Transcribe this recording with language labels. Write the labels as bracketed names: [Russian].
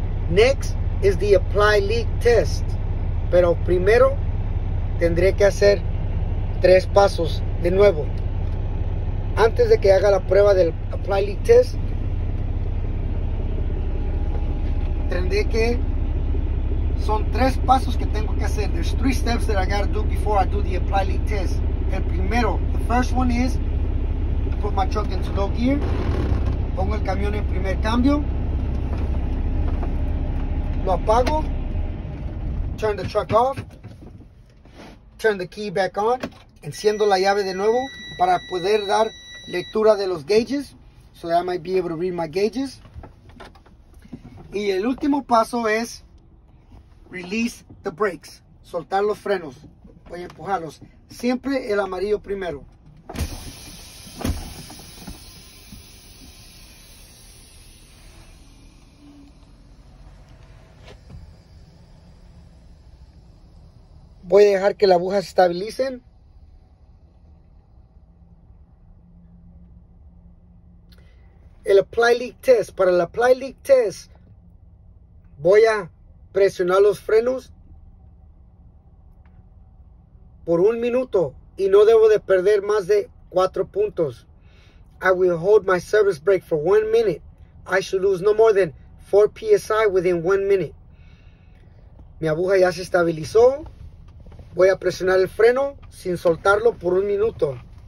[English] Next is the apply leak test. [Spanish] Pero primero tendré que hacer 3 pasos. De nuevo, antes de que haga la prueba del apply leak test, tendré que, son 3 pasos que tengo que hacer. [English] There's 3 steps that I gotta do before I do the apply leak test. [Spanish] El primero, [English] the first one is, put my truck into low gear, [Spanish] pongo el camión en primer cambio, lo apago, [English] turn the truck off, turn the key back on. [Spanish] Enciendo la llave de nuevo para poder dar lectura de los gauges. [English] So that I might be able to read my gauges. [Spanish] Y el último paso es [English] release the brakes. [Spanish] Soltar los frenos. Voy a empujarlos. Siempre el amarillo primero. Voy a dejar que la aguja se estabilice. El apply leak test. Para el apply leak test, voy a presionar los frenos por un minuto y no debo de perder más de 4 puntos. [English] I will hold my service brake for 1 minute. I should lose no more than 4 PSI within 1 minute. [Spanish] Mi aguja ya se estabilizó. Voy a presionar el freno sin soltarlo por 1 minuto.